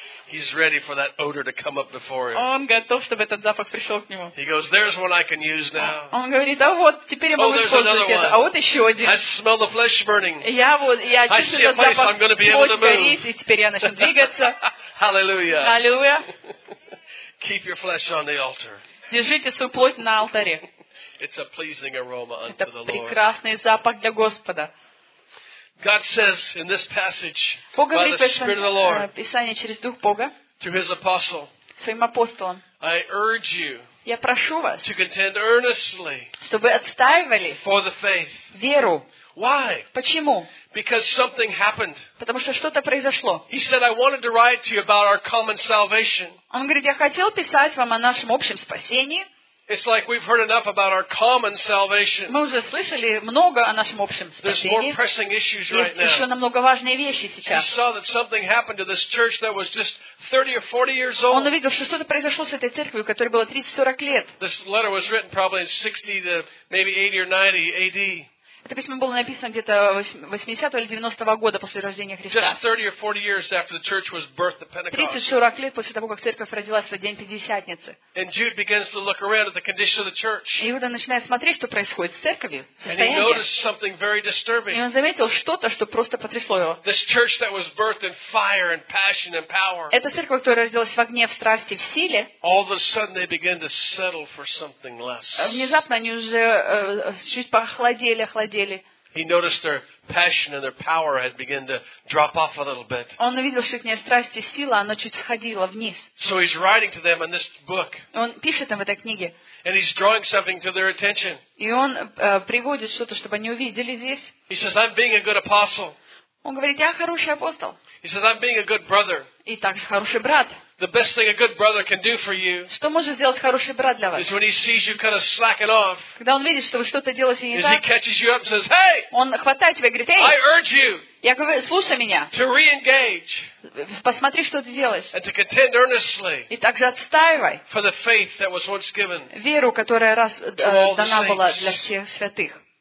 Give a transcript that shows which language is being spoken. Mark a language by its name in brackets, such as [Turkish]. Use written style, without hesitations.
[English] He's ready for that odor to come up before him. [Russian] Он готов, чтобы этот запах пришел к нему. [English] He goes, there's one I can use now. [Russian] Он говорит, а вот теперь я могу использовать это. А вот еще один. [English] I smell the flesh burning. [Russian] Я вот, я чувствую этот запах. [English] I'm going to be able to move. [Russian] И теперь я начну двигаться. [English] Hallelujah. [Russian] Hallelujah. [English] Keep your flesh on the altar. [Russian] Держите свою плоть на алтаре. [English] It's a pleasing aroma unto the Lord. [Russian] Это прекрасный запах для Господа. [English] God says in this passage by the Spirit of the Lord, [Russian] Писание через Дух Бога, [English] to His apostle, [Russian] своим апостолам, [English] I urge you, [Russian] я прошу вас, [English] to contend earnestly, [Russian] чтобы отстаивали [English] for the faith, [Russian] веру. [English] Why? [Russian] Почему? [English] Because something happened. [Russian] Потому что что-то произошло. [English] He said, I wanted to write to you about our common salvation. [Russian] Он говорит, я хотел писать вам о нашем общем спасении. [English] It's like we've heard enough about our common salvation. [Russian] Мы уже слышали много о нашем общем спасении. [English] There's more pressing issues right now. [Russian] Есть еще намного важные вещи сейчас. [English] He saw that something happened to this church that was just 30 or 40 years old. [Russian] Он увидел, что что-то произошло с этой церковью, которая была 30-40 лет. [English] This letter was written probably in 60 to maybe 80 or 90 AD. [Russian] Это письмо было написано где-то 80-го или 90-го года после рождения Христа. 30-40 лет после того, как церковь родилась в день Пятидесятницы. И Иуда начинает смотреть, что происходит с церковью, состояние. И он заметил что-то, что просто потрясло его. Эта церковь, которая родилась в огне, в страсти, в силе, внезапно они уже чуть похолодели, охладели. [English] He noticed their passion and their power had begun to drop off a little bit. [Russian] Он увидел, что их страсть и сила, она чуть сходила вниз. [English] So he's writing to them in this book. [Russian] Он пишет им в этой книге. [English] And he's drawing something to their attention. [Russian] И он приводит что-то, чтобы они увидели здесь. [English] He says, "I'm being a good apostle." [Russian] Он говорит, я хороший апостол. [English] He says, "I'm being a good brother." [Russian] И также хороший брат. [English] The best thing a good brother can do for you is when he sees you kind of slacking off. [Russian] Когда он видит, что вы что-то делаете не так. [English] He catches you up and says, "Hey!" [Russian] Он хватает тебя и говорит, "Эй!" [English] I urge you. [Russian] Я говорю, слушай меня. [English] To re-engage. [Russian] Посмотри, что ты делаешь. [English] And to contend earnestly. [Russian] И также отстаивай. [English] For the faith that was once given. [Russian] Веру, которая раз дана была для всех святых.